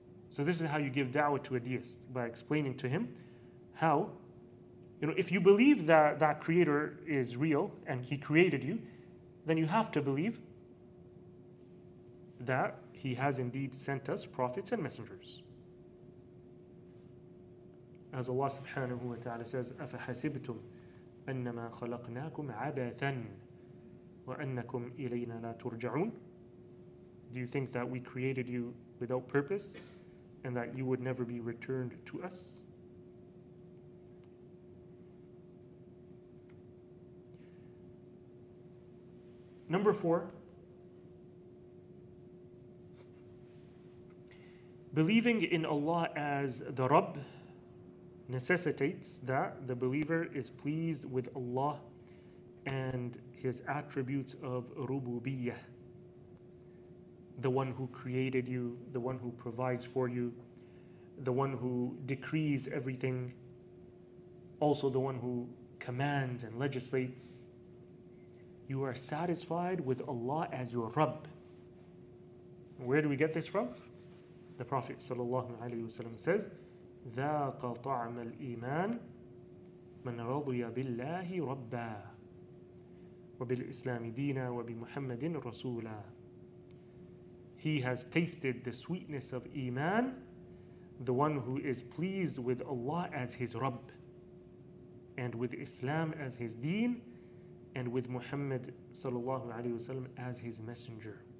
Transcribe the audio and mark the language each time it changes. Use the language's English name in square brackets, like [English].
[English] So this is how you give da'wah to a deist, by explaining to him how, you know, if you believe that that creator is real and He created you, then you have to believe that He has indeed sent us prophets and messengers. As Allah subhanahu wa ta'ala says, [Arabic] أَفَحَسِبْتُمْ أَنَّمَا خَلَقْنَاكُمْ عَبَثًا وَأَنَّكُمْ إِلَيْنَا لَا تُرْجَعُونَ? [English] Do you think that we created you without purpose and that you would never be returned to us? Number four, believing in Allah as the Rabb necessitates that the believer is pleased with Allah and His attributes of rububiyyah, the one who created you, the one who provides for you, the one who decrees everything, also the one who commands and legislates. You are satisfied with Allah as your Rabb. Where do we get this from? The Prophet ﷺ says, [Arabic] ذَاقَ طَعْمَ الْإِيمَانِ مَنْ رَضِيَ بِاللَّهِ رَبَّا وَبِالْإِسْلَامِ دِينَ وَبِمُحَمَّدٍ رَسُولًا. [English] He has tasted the sweetness of Iman, the one who is pleased with Allah as his Rabb, and with Islam as his deen, and with Muhammad sallallahu alayhi wasallam as his messenger.